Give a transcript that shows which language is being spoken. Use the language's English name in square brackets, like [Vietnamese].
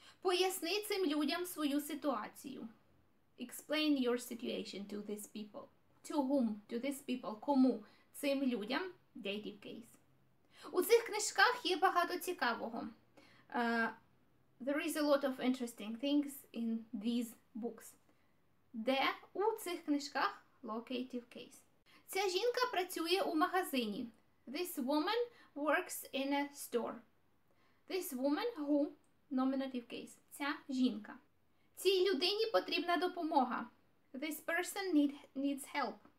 [Ukrainian] Поясни цим людям свою ситуацію. [English] Explain your situation to these people. To whom? To these people. [Ukrainian] Кому? Цим людям. [English] Dative case. [Ukrainian] У цих книжках є багато цікавого. [English] There is a lot of interesting things in these books. [Ukrainian] Де? У цих книжках. [English] Locative case. [Ukrainian] Ця жінка працює у магазині. [English] This woman works in a store. This woman who? Nominative case. [Ukrainian] Ця жінка. Цій людині потрібна допомога. [English] This person needs help.